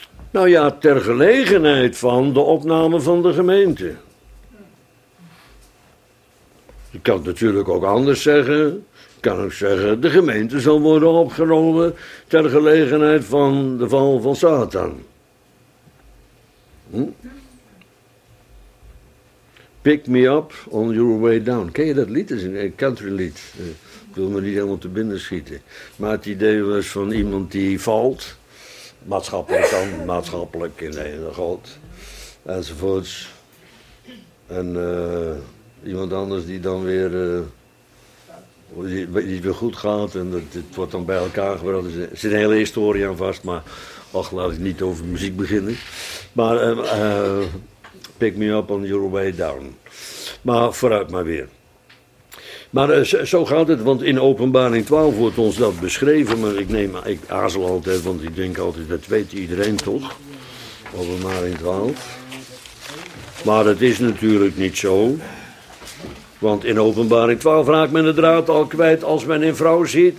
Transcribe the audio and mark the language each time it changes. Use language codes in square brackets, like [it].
[nl] Nou ja, ter gelegenheid van de opname van de gemeente. Je kan het natuurlijk ook anders zeggen. Ik kan ook zeggen, de gemeente zal worden opgenomen ter gelegenheid van de val van Satan. [en] Pick me up on your way down. [nl] Ken je dat lied? Dat is een country lied. Ik wil me niet helemaal te binnen schieten. Maar het idee was van iemand die valt. Maatschappelijk dan, maatschappelijk in de hele God. Enzovoorts. En iemand anders die dan weer... Die weer goed gaat en het wordt dan bij elkaar gebracht. Er zit een hele historie aan vast, maar ach, laat ik niet over muziek beginnen. Maar [en] pick me up on your way down. [nl] Maar vooruit maar weer. Maar zo gaat het, want in Openbaring 12 wordt ons dat beschreven. Maar ik aarzel altijd, want ik denk altijd, dat weet iedereen toch? Openbaring 12. Maar het is natuurlijk niet zo. Want in Openbaring 12 raakt men de draad al kwijt als men een vrouw ziet.